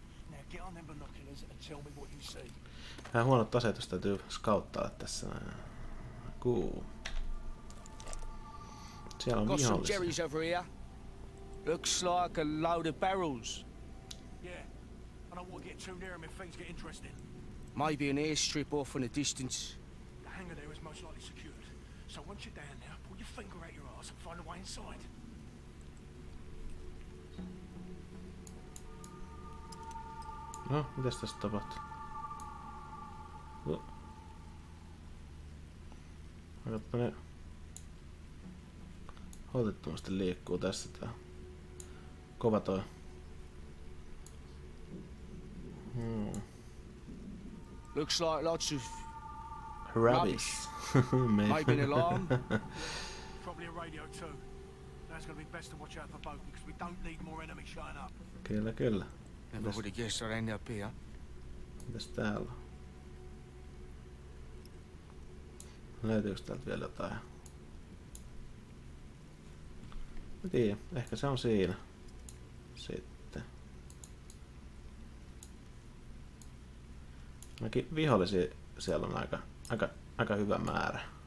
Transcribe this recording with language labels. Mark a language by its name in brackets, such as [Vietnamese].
[English] Now get on them binoculars and tell me what you see. [Finnish] Vähän huonot asetus täytyy scouttaa tässä. [English] Cool. [Finnish] Siellä on vihollisia. [English] Got some jerrys over here. Looks like a load of barrels. Yeah. I don't want to get too near them if things get interesting. Maybe an airstrip off in the distance. The hangar there is most likely secured. So once you're down there, pull your finger out your ass and find a way inside. [Finnish] No, mitäs tässä tapahtuu? Katsotaan ne. Otettomasti liikkuu tässä tää. Kova toi. [English] Looks like lots of rubbish. Maybe an alarm. Probably a radio too. That's gonna be best to watch out for both because we don't need more enemies showing up. [Finnish] Kyllä, kyllä. [English] Never would have guessed I'd end up here. [Finnish] Mitäs täällä? Löytyykö täältä vielä jotain? En tiedä, ehkä se on siinä sitten. Ainakin vihollisia siellä on aika hyvä määrä.